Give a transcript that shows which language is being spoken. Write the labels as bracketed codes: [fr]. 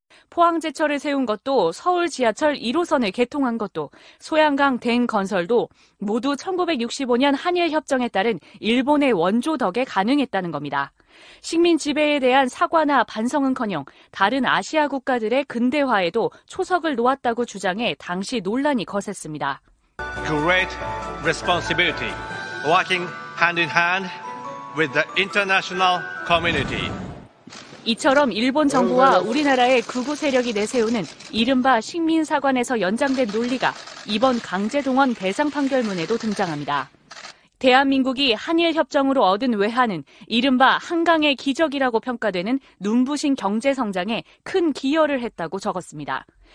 [ko] 포항제철을 세운 것도 서울 지하철 1호선을 개통한 것도 소양강 댐 건설도 모두 1965년 한일 협정에 따른 일본의 원조 덕에 가능했다는 겁니다. 식민 지배에 대한 사과나 반성은커녕 다른 아시아 국가들의 근대화에도 초석을 놓았다고 주장해 당시 논란이 거셌습니다. [en] Great responsibility, working hand in hand with the international community. [ko] 이처럼 일본 정부와 우리나라의 극우 세력이 내세우는 이른바 식민사관에서 연장된 논리가 이번 강제동원 배상 판결문에도 등장합니다. 대한민국이 한일협정으로 얻은 외환은 이른바 한강의 기적이라고 평가되는 눈부신 경제성장에 큰 기여를 했다고 적었습니다.